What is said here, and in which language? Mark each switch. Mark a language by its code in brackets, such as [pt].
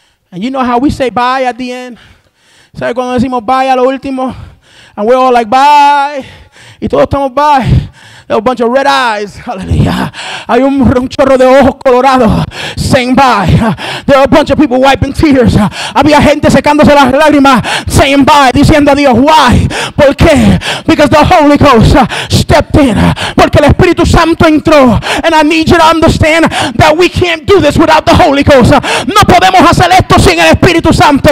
[en] And you know how we say bye at the end? [es] ¿Sabes cuando decimos bye a lo último? [en] And we're all like bye. [es] Y todos estamos bye. [en] A bunch of red eyes, hallelujah. [es] Hay un chorro de ojos colorados [en] saying bye. There are a bunch of people wiping tears. [es] Había gente secándose las lágrimas [en] saying bye, [es] diciendo a Dios, why? ¿Por qué? [en] Because the Holy Ghost stepped in. [es] Porque el Espíritu Santo entró. [en] And I need you to understand that we can't do this without the Holy Ghost. [es] No podemos hacer esto sin el Espíritu Santo.